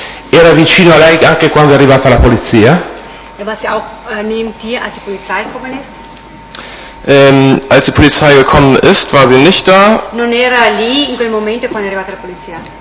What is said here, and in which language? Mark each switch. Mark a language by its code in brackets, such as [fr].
[it] Era vicino a lei anche quando è arrivata la polizia? [de] Als die Polizei gekommen ist, war sie nicht da. [it] Non era lì in quel momento quando è arrivata la polizia.